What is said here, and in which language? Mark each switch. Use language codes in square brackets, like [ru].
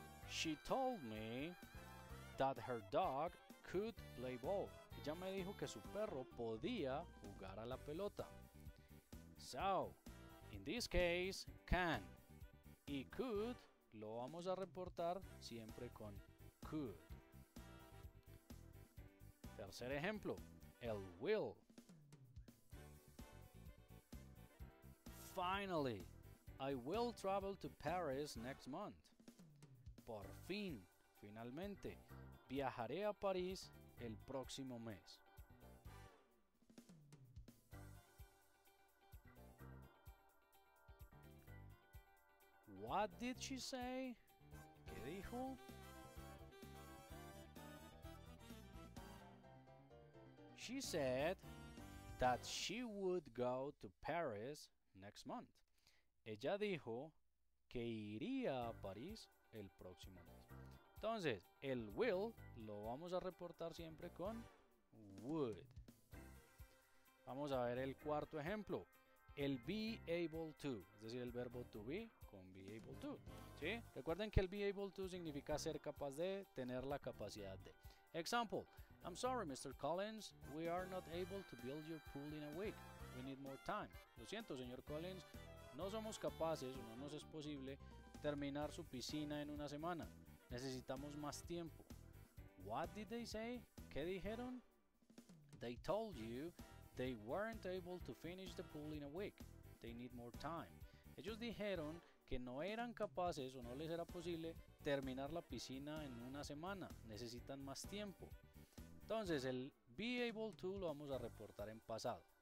[en] She told me that her dog could play ball. [es] Ella me dijo que su perro podía jugar a la pelota. [en] So, in this case, can. [es] Y could lo vamos a reportar siempre con could. Tercer ejemplo, el will. [en] Finally, I will travel to Paris next month. [es] Por fin, finalmente, viajaré a París el próximo mes. [en] What did she say? [es] ¿Qué dijo? [en] She said that she would go to Paris next month. [es] Ella dijo que iría a París el próximo mes. Entonces, el will lo vamos a reportar siempre con would. Vamos a ver el cuarto ejemplo. El be able to, es decir, el verbo to be con be able to, ¿sí? Recuerden que el be able to significa ser capaz de, tener la capacidad de. [en] Example, I'm sorry, Mr. Collins, we are not able to build your pool in a week. We need more time. [es] Lo siento, señor Collins, no somos capaces, o no nos es posible, terminar su piscina en una semana. Necesitamos más tiempo. [en] What did they say? [es] ¿Qué dijeron? [en] They told you they weren't able to finish the pool in a week. They need more time. [es] Ellos dijeron que no eran capaces o no les era posible terminar la piscina en una semana. Necesitan más tiempo. Entonces, el be able to lo vamos a reportar en pasado.